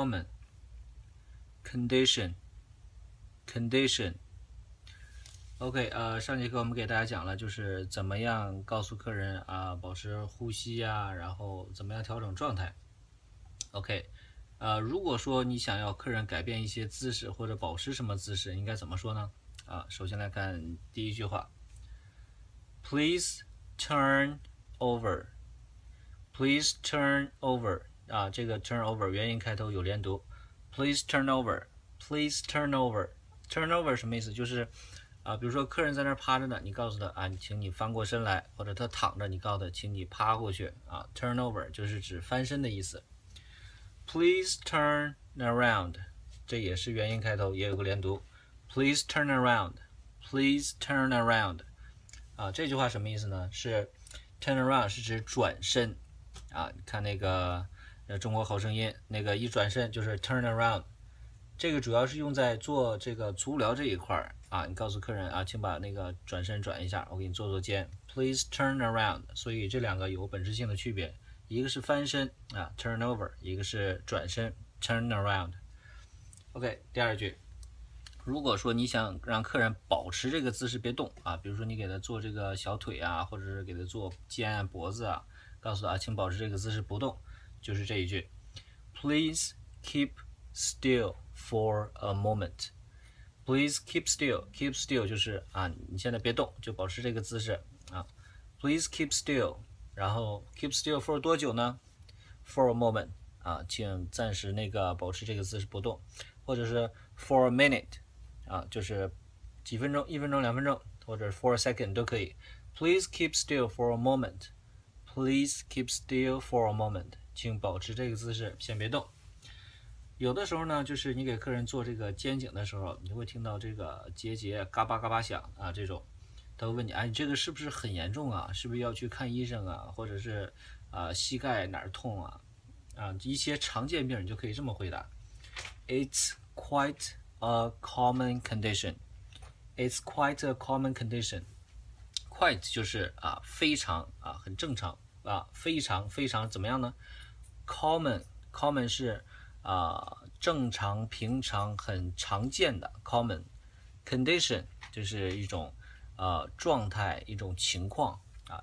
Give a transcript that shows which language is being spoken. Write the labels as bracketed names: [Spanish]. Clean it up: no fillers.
[English] common, condition, condition. [Chinese] OK, 上节课我们给大家讲了就是怎么样告诉客人啊，保持呼吸啊，然后怎么样调整状态。 OK, 如果说你想要客人改变一些姿势或者保持什么姿势，应该怎么说呢？啊，首先来看第一句话。 [English] Please turn over. Please turn over. [Chinese] 啊，这个 turn over 元音开头有连读。 [English] Please turn over. Please turn over. [Chinese] Turn over 什么意思？就是啊，比如说客人在那儿趴着呢，你告诉他啊，请你翻过身来，或者他躺着，你告诉他，请你趴过去啊。 Turn over 就是指翻身的意思。 [English] Please turn around, [Chinese] 这也是元音开头，也有个连读。 [English] Please turn around, please turn around, [Chinese] 啊，这句话什么意思呢？是 turn around 是指转身，啊，你看那个中国好声音那个一转身就是 turn around。这个主要是用在做这个足疗这一块啊，你告诉客人啊，请把那个转身转一下，我给你做做肩。 [English] Please turn around. [Chinese] 所以这两个有本质性的区别，一个是翻身啊 ，turn over， 一个是转身 ，turn around。 OK， 第二句，如果说你想让客人保持这个姿势别动啊，比如说你给他做这个小腿啊，或者是给他做肩啊、脖子啊，告诉他啊，请保持这个姿势不动，就是这一句 ， [English] Please keep still。 For a moment, please keep still. [Chinese] Keep still 就是啊，你现在别动，就保持这个姿势啊。 [English] Please keep still. [Chinese] 然后 keep still for 多久呢 ？ [English] For a moment. [Chinese] 啊，请暂时那个保持这个姿势不动，或者是 [English] for a minute. [Chinese] 啊，就是几分钟，一分钟、两分钟，或者 [English] for a second [Chinese] 都可以。 [English] Please keep still for a moment. Please keep still for a moment. [Chinese] 请保持这个姿势，先别动。有的时候呢，就是你给客人做这个肩颈的时候，你会听到这个结节嘎巴嘎巴响啊，这种他会问你，哎，这个是不是很严重啊，是不是要去看医生啊，或者是膝盖哪儿痛啊，啊，一些常见病你就可以这么回答。 [English] It's quite a common condition. It's quite a common condition. [Chinese] Quite 就是啊非常啊很正常啊，非常非常怎么样呢？ Common 是正常平常很常见的 common condition 就是一种状态一种情况啊。